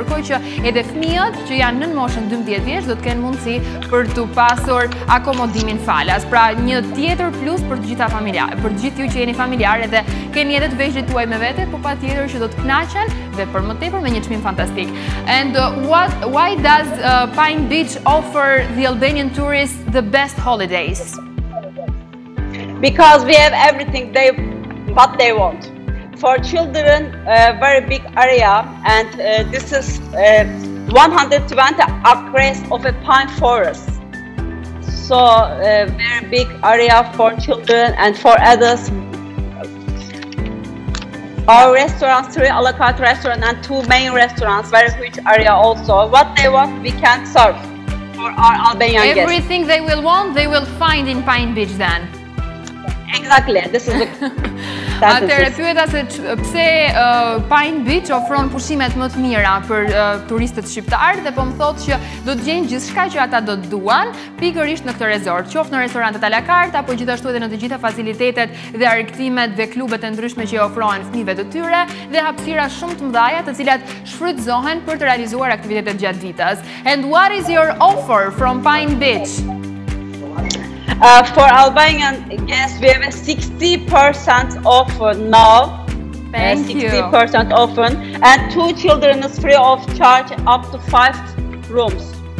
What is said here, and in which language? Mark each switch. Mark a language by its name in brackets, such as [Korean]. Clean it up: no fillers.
[Albanian] Ndërkohë që edhe fëmijët që janë nën moshën 12 vjeç do të kenë mundësi për të pasur akomodimin falas. Pra një tjetër plus për të gjitha familjarë, për të gjithë ju që jeni familjarë dhe keni edhe të veshjet tuaj me vete, po patjetër që do të kënaqen dhe për më tepër me një çmim fantastik. [English] And why does Pine Beach offer the Albanian tourists the best holidays? Because we have everything they what they want. For children, very big area, and this is 120 acres of a pine forest. So a very big area for children and for adults. Our restaurants, 3 a la carte restaurants and 2 main restaurants, very rich area also. What they want, we can serve for our Albanian Everything guests. Everything they will want, they will find in Pine Beach then. Exactly, this is the... [Albanian] Atëherë pyeta se pse Pine Beach ofron pushimet më të mira për turistët shqiptar dhe po më thotë që do të gjejnë gjithçka që ata do të duan pikërisht në këtë resort, qoftë në restorantet a la carte apo gjithashtu edhe në të gjitha facilitetet dhe argëtimet dhe klubet e ndryshme që ofrohen fëmijëve të tyre dhe hapësira shumë të mëdha të cilat shfrytëzohen për të realizuar aktivitetet gjatë ditës. [English] And what is your offer from Pine Beach? For Albanian guests, we have a 60% offer now. Thank 60% offer. And 2 children is free of charge up to 5 rooms.